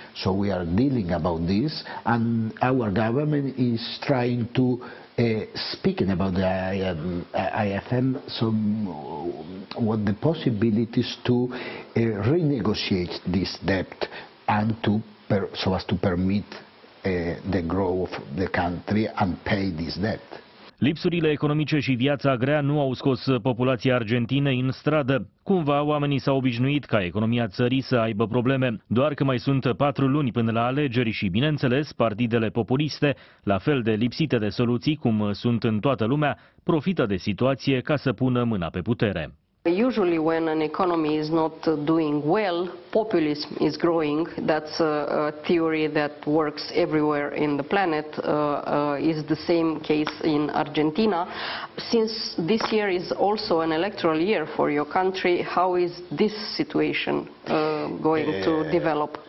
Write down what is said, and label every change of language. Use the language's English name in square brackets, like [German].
[English] So we are dealing about this, and our government is trying to speaking about the IFM, what the possibilities to renegotiate this debt and to so as to permit the growth of the country and pay this debt. [Romanian] Lipsurile economice și viața grea nu au scos populația Argentinei în stradă. Cumva oamenii s-au obișnuit ca economia țării să aibă probleme, doar că mai sunt 4 luni până la alegeri și, bineînțeles, partidele populiste, la fel de lipsite de soluții cum sunt în toată lumea, profită de situație ca să pună mâna pe putere. [English] Usually when an economy is not doing well, populism is growing. That's a theory that works everywhere in the planet. Is the same case in Argentina. Since this year is also an electoral year for your country, how is this situation going to develop?